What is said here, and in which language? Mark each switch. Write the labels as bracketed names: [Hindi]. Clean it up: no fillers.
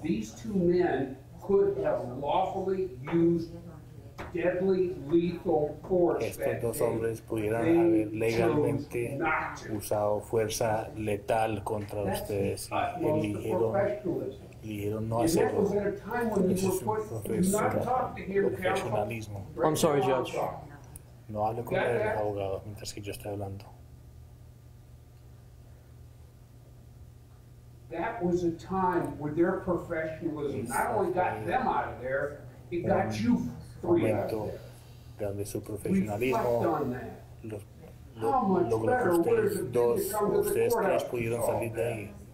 [English] These two men could have lawfully used deadly lethal force. [Spanish] Estos dos hombres pudieran haber legalmente usado fuerza letal contra ustedes. Eligieron no hacerlo. Eso es un profesionalismo. [English] I'm sorry, Judge. [Spanish] No hable con el abogado mientras que yo estoy hablando. [English] That was a time where their professionalism not only got them out of there, it got you. [Spanish] Momento donde su profesionalismo logró que ustedes dos, ustedes tres pudieron salir de ahí.